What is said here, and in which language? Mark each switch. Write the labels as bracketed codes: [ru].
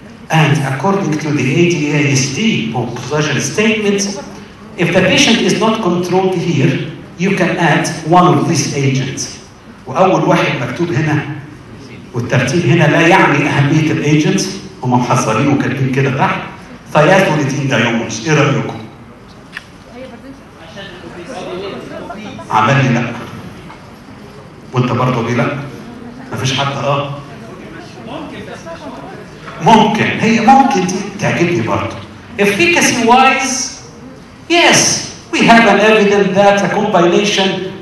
[en] And according to the ADASD population statement, if the patient is not controlled here, you can add one of these agents. [ar] وأول واحد مكتوب هنا والترتيب هنا لا يعني أهمية الأجنت، هم محصلين وكاتبين كده تحت. ثياتوليدين دايونز، إيه رأيكم؟ عملي لا. وأنت برضه ليه لا؟ مفيش حد آه. ممكن هي ممكن تعجبني برضو. [en] Efficacy wise, yes, we have an evidence that a combination